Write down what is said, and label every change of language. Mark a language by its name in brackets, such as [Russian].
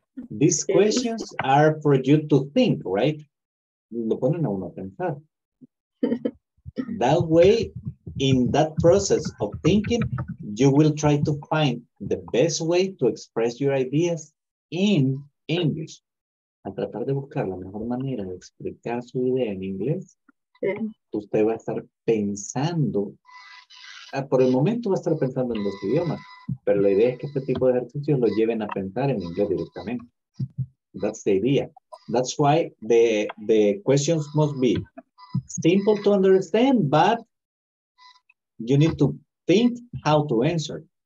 [English] These questions are for you to think, right? [Spanish] Lo ponen a uno a pensar. [English] That way, in that process of thinking, you will try to find the best way to express your ideas in English. [Spanish] Al tratar de buscar la mejor manera de explicar su idea en inglés, usted va a estar pensando, por el momento va a estar pensando en dos idiomas, pero la idea es que este tipo de ejercicios lo lleven a pensar en inglés directamente. [English] That's the idea. That's why the questions must be simple to understand, but you need to think how to answer.